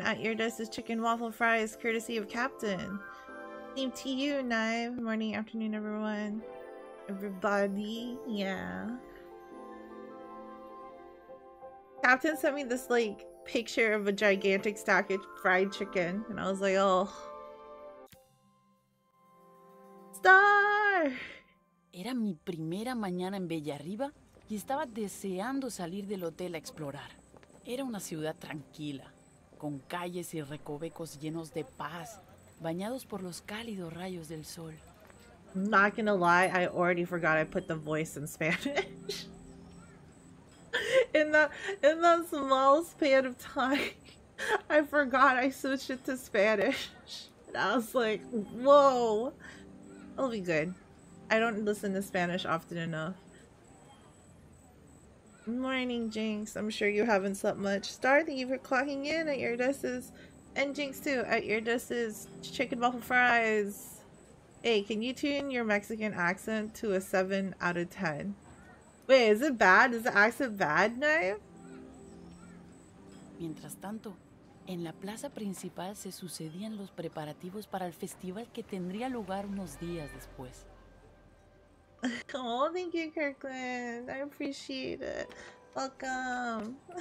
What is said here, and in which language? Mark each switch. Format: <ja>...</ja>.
<en>At your desk is chicken waffle fries, courtesy of Captain. Same to you, Knife. Morning, afternoon, everyone. Everybody, yeah. Captain sent me this, like, picture of a gigantic stack of fried chicken, and I was like, oh. Star!</en> <es>Era mi primera mañana en Bellarriba, y estaba deseando salir del hotel a explorar. Era una ciudad tranquila, con calles y recovecos llenos de paz, bañados por los cálidos rayos del sol.</es> <en>I'm not gonna lie, I already forgot I put the voice in Spanish. In that small span of time, I forgot I switched it to Spanish. And I was like, whoa. I'll be good. I don't listen to Spanish often enough. Morning, Jinx. I'm sure you haven't slept much. Star, thank you for clocking in at your desk's. And Jinx, too, at your desk's chicken waffle fries. Hey, can you tune your Mexican accent to a 7 out of 10? Wait, is it bad? Is the accent bad, Knife?</en> <es>Mientras tanto, en la plaza principal se sucedían los preparativos para el festival que tendría lugar unos días después.</es> <en>Oh, thank you, Kirkland. I appreciate it. Welcome.</en>